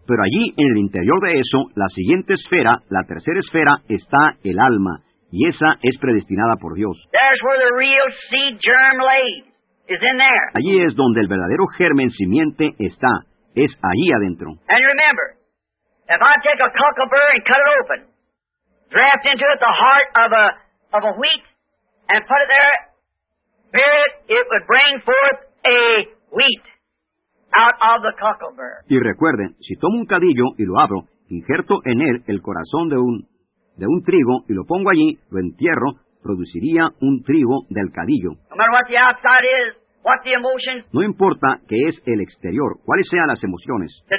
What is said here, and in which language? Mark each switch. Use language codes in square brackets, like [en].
[es] Pero allí, en el interior de eso, la siguiente esfera, la tercera esfera, está el alma. Y esa es predestinada por Dios. [en] There's where the real seed germ lays. Is in there. [es] Allí es donde el verdadero germen simiente está. es allí adentro. [en] And remember, if I take a cockleburr and cut it open, draft into it the heart of a wheat, and put it there, bury it, it would bring forth a wheat out of the cockleburr. [es] Y recuerden, si tomo un cadillo y lo abro, injerto en él el corazón de un trigo y lo pongo allí, lo entierro, produciría un trigo del cadillo. [en] No matter what the outside is, what the emotion, [es] no importa qué es el exterior, cuáles sean las emociones.